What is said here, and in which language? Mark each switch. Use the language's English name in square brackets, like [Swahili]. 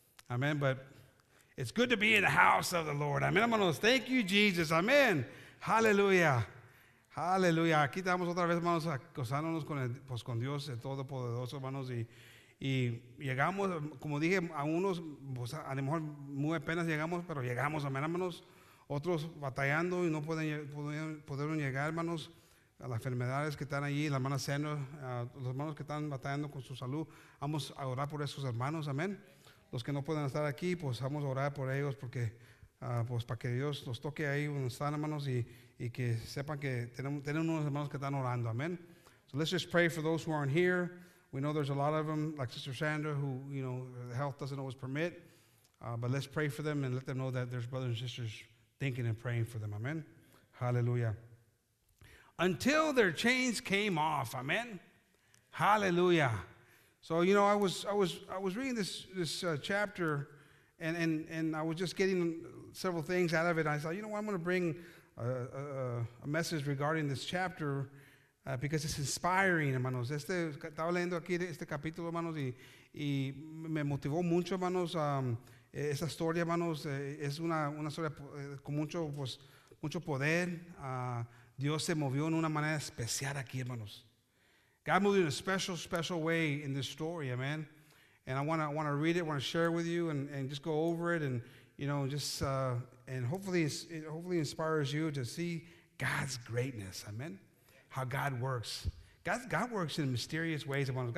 [English] Amén, but it's good to be in the house of the Lord. Amén, hermanos. Thank you, Jesus. Amén. Hallelujah. Hallelujah. [Spanish] Aquí estamos otra vez, hermanos, acostándonos con Dios, el Todopoderoso, hermanos. Y llegamos, como dije, a unos, pues, a lo mejor muy apenas llegamos, pero llegamos, amén, hermanos. Otros batallando y no pudieron llegar, hermanos, a las enfermedades que están allí, la hermana Senna, a los hermanos que están batallando con su salud. Vamos a orar por esos hermanos, amén. Los que no pueden estar aquí, pues vamos a orar por ellos, porque pues para que Dios los toque ahí donde están, hermanos, y que sepan que tenemos unos hermanos que están orando, amén. [English] So let's just pray for those who aren't here. We know there's a lot of them, like Sister Sandra, who, you know, the health doesn't always permit. But let's pray for them and let them know that there's brothers and sisters thinking and praying for them, amen. Hallelujah. Until their chains came off, amen. Hallelujah. So, you know, I was reading this chapter, and I was just getting several things out of it. I thought, you know what, I'm going to bring a message regarding this chapter because it's inspiring, hermanos. [Spanish] Estaba leyendo aquí este capítulo, hermanos, y me motivó mucho, hermanos. Esa historia, hermanos, es una historia con mucho, pues, mucho poder. Dios se movió en una manera especial aquí, hermanos. [English] God moved in a special, special way in this story, amen. And I want to read it, want to share it with you, and just go over it, and you know, just and hopefully inspires you to see God's greatness, amen. How God works. God works in mysterious ways, amen.